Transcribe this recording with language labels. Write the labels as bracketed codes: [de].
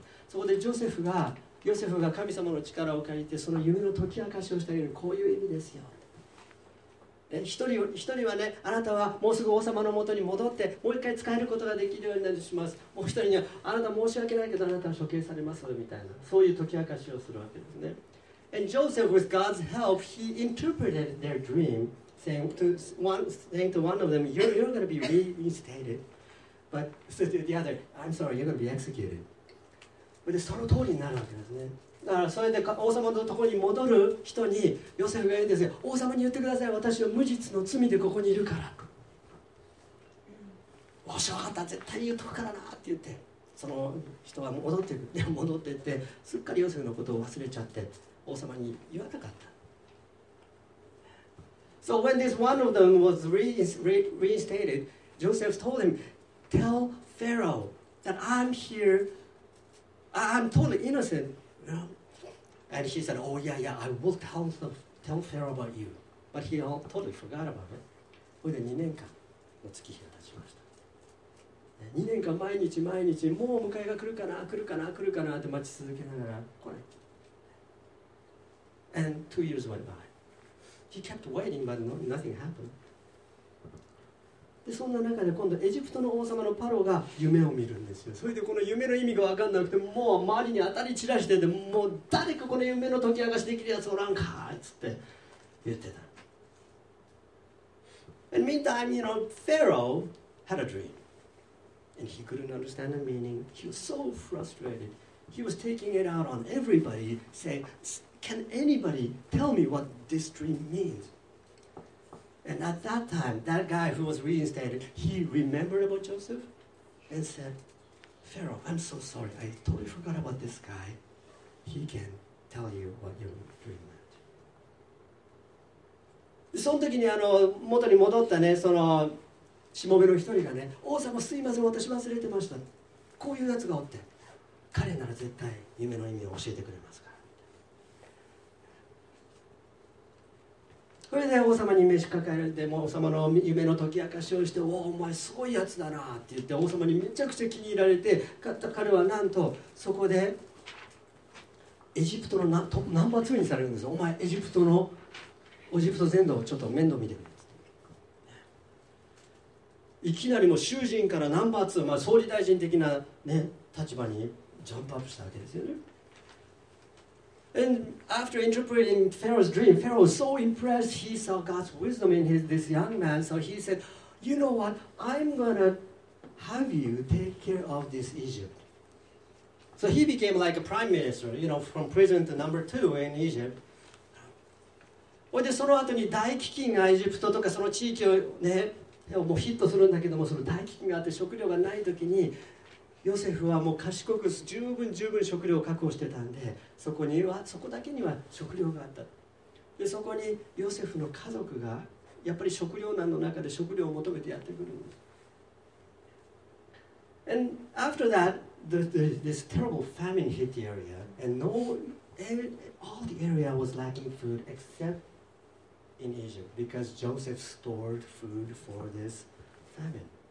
[ja] そこでヨセフが神様の力を借りて、その夢の解き明かしをしたように、こういう意味ですよ。一人はね、あなたはもうすぐ王様のもとに戻って、もう一回使えることができるようになります。もう一人には、あなた申し訳ないけど、あなたは処刑されますよ、みたいな。そういう解き明かしをするわけですね。 [en] And Joseph, with God's help, he interpreted their dream, saying to one of them, you're going to be reinstated, but the other, I'm sorry, you're going to be executed. [ja] But その通りになるわけですね。だからそれで王様のところに戻る人に、ヨセフが言うんですよ、王様に言ってください、私は無実の罪でここにいるから。もし分かったら絶対言うとくからなって言って、その人は戻っていって、すっかりヨセフのことを忘れちゃって、王様に言わなかった。 [en] So when this one of them was reinstated, Joseph told him, "Tell Pharaoh that I'm here. I'm totally innocent." And he said, "Oh yeah, yeah, I will tell Pharaoh about you." But he all totally forgot about it. [ja] それで2年間の月日が経ちました。 2年間毎日もう迎えが来るかな、来るかな、来るかなって待ち続けながら来ない。 [en] And 2 years went by. He kept waiting, but nothing happened. [ja] で、そんな中で今度エジプトの王様のパロが夢を見るんですよ。それでこの夢の意味が分かんなくて、もう周りに当たり散らしてて、もう誰かこの夢の解き明かしできるやつおらんかっつって言ってた。 [en] And meantime, you know, Pharaoh had a dream. And he couldn't understand the meaning. He was so frustrated. He was taking it out on everybody, saying,Can anybody tell me what this dream means? And at that time, that guy who was reinstated, he remembered about Joseph and said, Pharaoh, I'm so sorry. I totally forgot about this guy. He can tell you what your dream meant. [ja] その時に元に戻ったね、その下辺の一人がね、王様すいません、私忘れてました。こういうやつがおって、彼なら絶対夢の意味を教えてくれますから。それで王様に召し抱えられて、もう王様の夢の解き明かしをして、おお、お前すごいやつだなって言って、王様にめちゃくちゃ気に入られて、彼はなんとそこでエジプトのナンバー2にされるんですよ。お前エジプトの、エジプト全土をちょっと面倒見てくれ。いきなりもう囚人からナンバー2、まあ、総理大臣的な、ね、立場にジャンプアップしたわけですよね。 [en] And after interpreting Pharaoh's dream, Pharaoh was so impressed. He saw God's wisdom in this young man. So he said, "You know what? I'm gonna have you take care of this Egypt." So he became like a prime minister, you know, from prison to number two in Egypt. [ja] それでその後に大飢饉がエジプトとかその地域をね、もうヒットするんだけども、その大飢饉があって食料がないときに。ヨセフはもう賢く十分食料を確保してたんで、そこにはそこだけには食料があった。でそこにヨセフの家族がやっぱり食料難の中で食料を求めてやってくるんです。 [en] And after that this terrible famine hit the area, and all the area was lacking food except in Egypt because Joseph stored food for this famine.